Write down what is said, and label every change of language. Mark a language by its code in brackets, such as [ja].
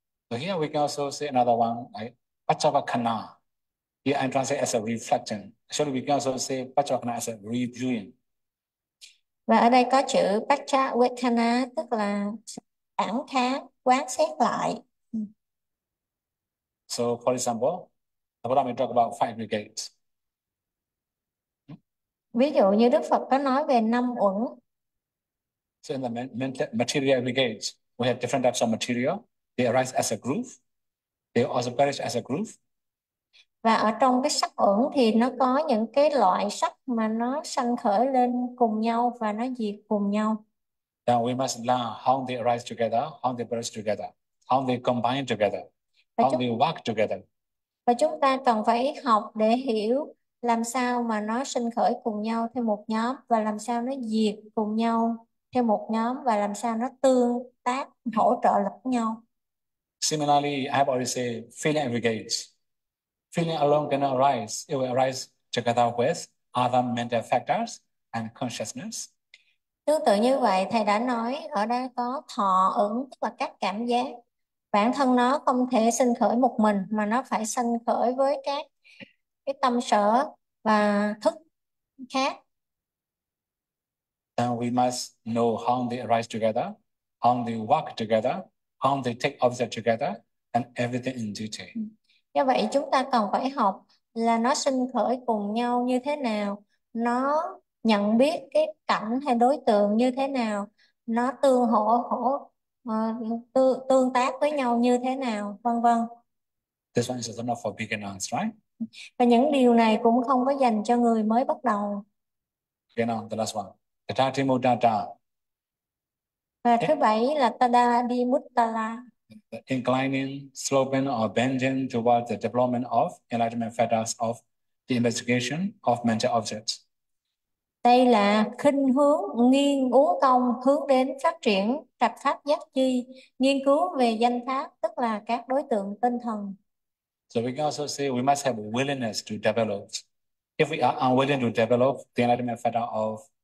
[en] So here we can also say another one, right? Pachavakana. Here I translate as a reflection. Actually, we can also say Pachavakana as a reviewing. [vi] Và ở đây có chữ Paccha-vekana tức là cảm thán, quán xét lại. [en] So, for example, the Buddha may talk about five aggregates. [vi] Ví dụ như Đức Phật có nói về năm uẩn. [en] So, in the material aggregates, we have different types of material. They arise as a groove. They also perish as a groove. [vi] Và ở trong cái sắc uẩn thì nó có những cái loại sắc mà nó sanh khởi lên cùng nhau và nó diệt cùng nhau. [en] Now, we must learn how they arise together, how they perish together, how they combine together. [vi] Và [en] How they work together. [vi] chúng ta cần phải học để hiểu làm sao mà nó sanh khởi cùng nhau theo một nhóm và làm sao nó diệt cùng nhau theo một nhóm và làm sao nó tương tác, hỗ trợ lẫn nhau. [en] Similarly, I have already said feeling aggregates. Feeling alone cannot arise. It will arise together with other mental factors and consciousness. [vi] Tương tự như vậy, thầy đã nói ở đây có thọ ứng tức là các cảm giác. Bản thân nó không thể sinh khởi một mình mà nó phải sinh khởi với các cái tâm sở và thức khác. [en] Then we must know how they arise together, how they work together, how they take object together, and everything in detail. [vi] Do vậy chúng ta cần phải học là nó sinh khởi cùng nhau như thế nào, nó nhận biết cái cảnh hay đối tượng như thế nào, nó tương hỗ hỗ tương tác với nhau như thế nào, vân vân. [en] This one is also not for beginners, right? [vi] Và những điều này cũng không có dành cho người mới bắt đầu. [en] Okay, now the last one. Tathāti [vi] Và thứ bảy là Tada-di-muttala. [en] the inclining, sloping, or bending towards the development of enlightenment fetters of the investigation of mental objects. [vi] Đây là khuynh hướng nghiêng uốn cong hướng đến phát triển trạch pháp giác chi, nghiên cứu về danh pháp tức là các đối tượng tinh thần. [en] So we can also say we must have willingness to develop. If we are unwilling to develop the enlightenment fetter of